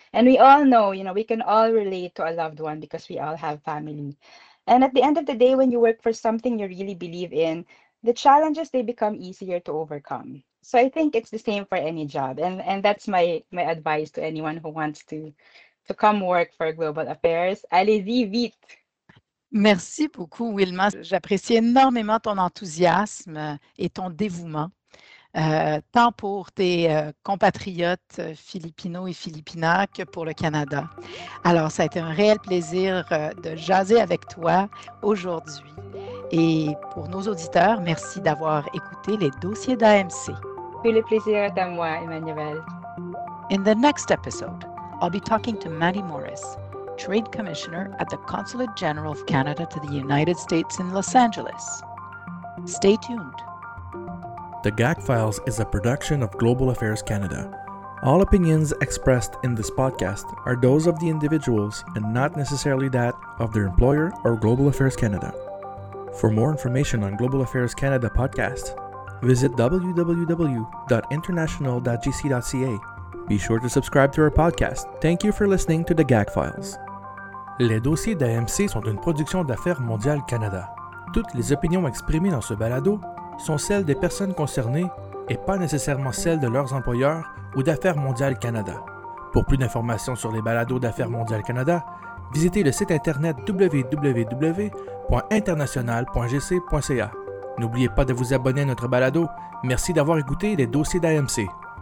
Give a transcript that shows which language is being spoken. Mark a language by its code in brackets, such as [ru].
[en] And we all know, you know, we can all relate to a loved one because we all have family. And at the end of the day, when you work for something you really believe in, the challenges, they become easier to overcome. So I think it's the same for any job. And that's my advice to anyone who wants to come work for Global Affairs. [fr] Allez-y vite! Merci beaucoup, Wilma. J'apprécie énormément ton enthousiasme et ton dévouement, tant pour tes compatriotes philippinos et philippinas que pour le Canada. Alors, ça a été un réel plaisir de jaser avec toi aujourd'hui. Et pour nos auditeurs, merci d'avoir écouté les dossiers d'AMC. Tout le plaisir est à moi, Emmanuel. [en] In the next episode, I'll be talking to Maddie Morris, Trade Commissioner at the Consulate General of Canada to the United States in Los Angeles. Stay tuned. The GAC Files is a production of Global Affairs Canada. All opinions expressed in this podcast are those of the individuals and not necessarily that of their employer or Global Affairs Canada. For more information on Global Affairs Canada podcast, visit www.international.gc.ca. Be sure to subscribe to our podcast. Thank you for listening to the GAC Files. [fr] Les dossiers d'AMC sont une production d'Affaires mondiales Canada. Toutes les opinions exprimées dans ce balado sont celles des personnes concernées et pas nécessairement celles de leurs employeurs ou d'Affaires mondiales Canada. Pour plus d'informations sur les balados d'Affaires mondiales Canada, visitez le site internet www.international.gc.ca. N'oubliez pas de vous abonner à notre balado. Merci d'avoir écouté les dossiers d'AMC.